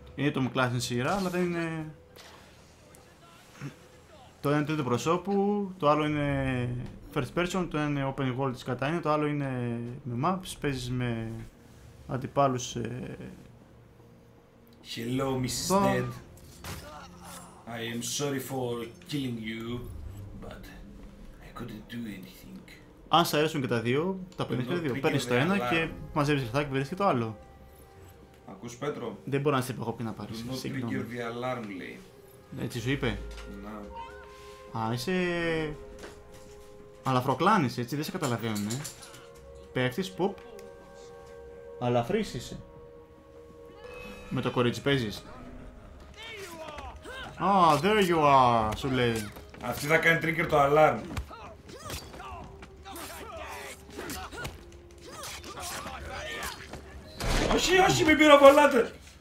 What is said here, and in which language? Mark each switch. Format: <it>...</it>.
<el>Είναι Tom Clancy σειρά, αλλά δεν είναι. Το ένα είναι τρίτο προσώπου, το άλλο είναι first person, το ένα είναι open world της Κατάνια, το άλλο είναι με maps, παίζεις με αντιπάλους...</el> <en>Hello, Mrs. Dead. I am sorry for killing you, but I couldn't do anything.</en> <el>Αν σ' αρέσουν και τα δύο, τα παίρνεις και τα δύο. Παίρνεις το ένα και μαζεύεις λεφτά και βρίσκεις και το άλλο. Ακούς, Πέτρο. Δεν μπορώ να σε είπα εγώ πει να πάρεις.</el> <en>Do not trigger the alarm,</en> <el>λέει. Έτσι σου είπε. Να. Α, είσαι... αλαφροκλάνης, έτσι, δεν σε καταλαβαίνουν, ε. Πέφτεις, πουπ. Αλαφρύς είσαι. Με το κορίτσι παίζεις.</el> <en>Ah, there you are,</en> <el>σου λέει. Αυτή θα κάνει trigger το alarm. Όχι, όχι, μην πυροβολάτε!</el>